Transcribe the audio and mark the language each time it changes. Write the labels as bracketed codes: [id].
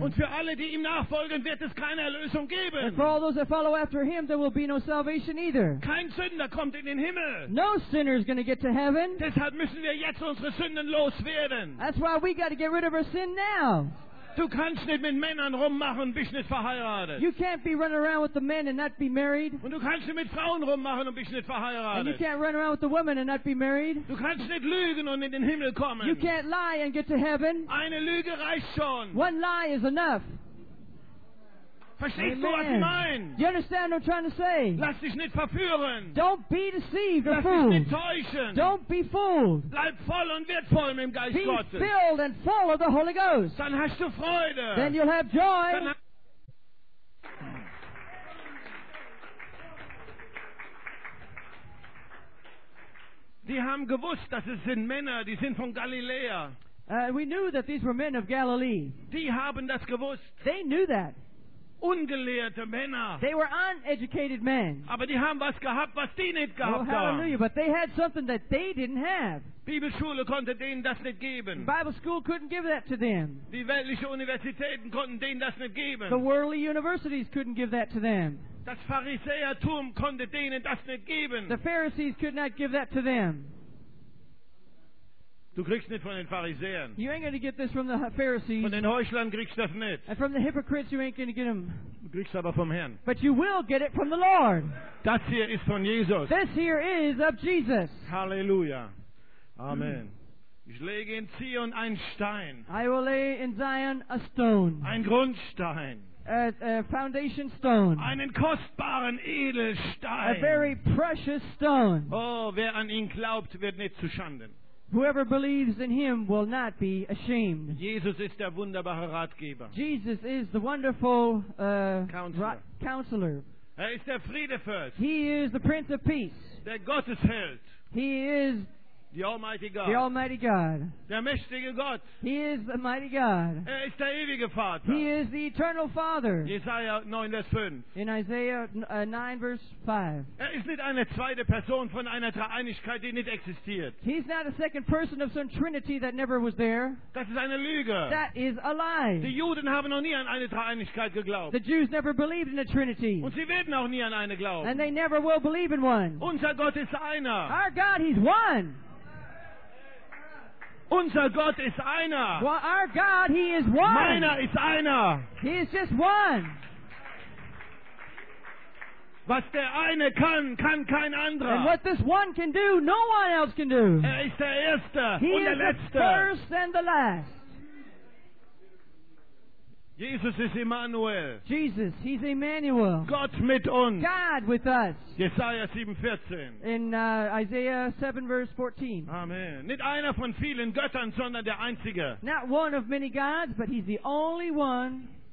[de] Und für alle, die ihm nachfolgen, wird es keine Erlösung geben. [en] And for all those that follow after him, there will be no salvation either. [de] Kein Sünder kommt in den Himmel. [en] No sinner is going to get to heaven. [de] Deshalb müssen wir jetzt unsere Sünden loswerden. [en] That's why we got to get rid of our sin now. [de] Du kannst nicht mit Männern rummachen und bist nicht verheiratet. [en] You can't be running around with the men and not be married. [de] Und du kannst nicht mit Frauen rummachen und bist nicht verheiratet. [en] And you can't run around with the women and not be married. [de] Du kannst nicht lügen und in den Himmel kommen. [en] You can't lie and get to heaven. [de] Eine Lüge reicht schon. [en] One lie is enough. [de] Verstehst du, was ich meine? [en] Do you understand what I'm trying to say? [de] Lass dich nicht verführen. [en] Don't be deceived or [de] Lass [en] fooled. [de] Lass dich nicht täuschen. [en] Don't be fooled. [de] Bleib voll und wird voll mit dem Geist [en] be [de] Gottes. [en] Be filled and full of the Holy Ghost. [de] Dann hast du Freude. [en] Then you'll have joy. [de] Die haben gewusst, dass es sind Männer, die sind von Galiläa. [en] We knew that these were men of Galilee. [de] Die haben das gewusst. [en] They knew that. [de] Ungelehrte Männer. [en] They were uneducated men. [de] Aber die haben was gehabt, was die nicht gehabt haben. [en] Oh, hallelujah. But they had something that they didn't have. [de] Bibelschule konnte denen das nicht geben. [en] Bible school couldn't give that to them. [de] Die weltlichen Universitäten konnten denen das nicht geben. [en] The worldly universities couldn't give that to them. [de] Das Pharisäertum konnte denen das nicht geben. [en] The Pharisees could not give that to them. [de] Du kriegst nicht von den Pharisäern. [en] You ain't gonna get this from the Pharisees. [de] Von den Heuchlern kriegst du das nicht. [en] And from the hypocrites you ain't gonna get them. [de] Du kriegst aber vom Herrn. [en] But you will get it from the Lord. [de] Das hier ist von Jesus. [en] This here is of Jesus. [de] Halleluja. Amen. Mm. Ich lege in Zion ein Stein. [en] I will lay in Zion a stone. [de] Ein Grundstein. [en] A foundation stone. [de] Einen kostbaren Edelstein. [en] A very precious stone. [de] Oh, wer an ihn glaubt, wird nicht zu Schanden. [en] Whoever believes in him will not be ashamed. [de] Jesus ist der wunderbare Ratgeber. [en] Jesus is the wonderful [de] counselor. Er ist der Friedefürst. [en] He is the Prince of Peace. [de] Der Gottesheld. [en] He is The Almighty God. [de] Der mächtige Gott. [en] He is the mighty God. [de] Ist der ewige Vater. [en] He is the eternal Father. [de] Jesaja 9, Vers 5. [en] In Isaiah 9, Verse 5. [de] Ist nicht eine zweite Person von einer Dreieinigkeit, die nicht existiert. [en] He's not a second person of some Trinity that never was there. [de] Das ist eine Lüge. [en] That is a lie. [de] Die Juden haben noch nie an eine Dreieinigkeit geglaubt. [en] The Jews never believed in a Trinity. [de] Und sie werden auch nie an eine glauben. [en] And they never will believe in one. [de] Unser Gott ist einer. [en] Our God, He's one. [de] Unser Gott ist einer. [en] Well, our God, He is one. [de] Meiner ist einer. [en] He is just one. [de] Was der eine kann, kann kein anderer. [en] And what this one can do, no one else can do. [de] Ist der Erste [en] he [de] und der [en] is [de] Letzte. [en] The first and the last. [de] Jesus ist Emmanuel. [en] Jesus, He's Emmanuel. [de] Gott mit uns. [en] God with us. [de] Jesaja 7:14. [en] In Isaiah 7 verse 14. [de] Amen. Nicht einer von vielen Göttern, sondern der einzige. [en] Not one of many gods, but He's the only one.